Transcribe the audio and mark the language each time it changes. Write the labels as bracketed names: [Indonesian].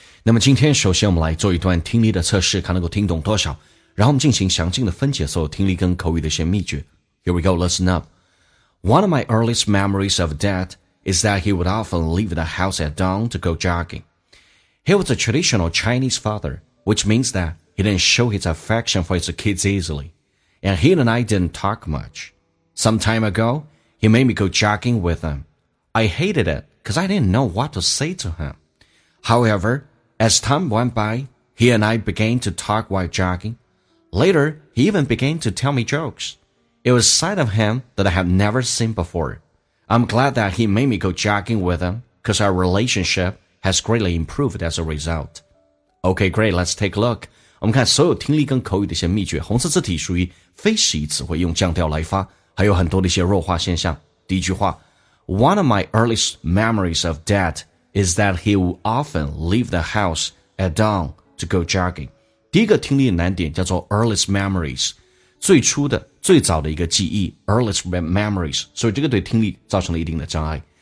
[Chinese] 那么今天首先我们来做一段听力的测试，看能够听懂多少，然后我们进行详尽的分解所有听力跟口语的一些秘诀。 [English] Here we go, listen up. One of my earliest memories of Dad is that he would often leave the house at dawn to go jogging. He was a traditional Chinese father, which means that he didn't show his affection for his kids easily, and he and I didn't talk much. Some time ago,He made me go jogging with him. I hated it because I didn't know what to say to him. However, as time went by, he and I began to talk while jogging. Later, he even began to tell me jokes. It was a side of him that I had never seen before. I'm glad that he made me go jogging with him because our relationship has greatly improved as a result. Okay, great, let's take a look. [Chinese] 我们看所有听力跟口语的一些秘诀，红色字体属于非习词汇，用降调来发。还有很多的一些弱化现象。第一句话， [English] One of my earliest memories of Dad is that he would often leave the house at dawn to go jogging. [Chinese] 第一个听力的难点叫做 [English] earliest memories， [Chinese] 最初的最早的一个记忆 earliest memories， 所以这个对听力造成了一定的障碍。